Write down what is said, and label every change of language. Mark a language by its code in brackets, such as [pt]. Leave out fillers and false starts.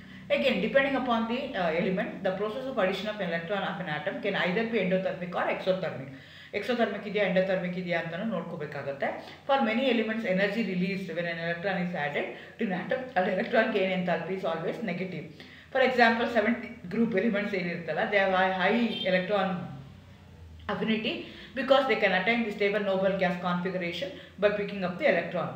[en] Again, depending upon the element, the process of addition of an electron of an atom can either be endothermic or exothermic. [kn] Exothermic ಇದೆಯಾ endothermic ಇದೆಯಾ ಅಂತ ನೋಡ್ಕೋಬೇಕಾಗುತ್ತೆ. [en] for many elements energy release when an electron is added to an atom, [kn] ಅಲ್ಲಿ [en] Electron gain enthalpy is always negative. For example, 7th group elements [kn] ಏನಿರ್ತಲ್ಲ, [en] They high electron affinity because they can attain the stable noble gas configuration by picking up the electron.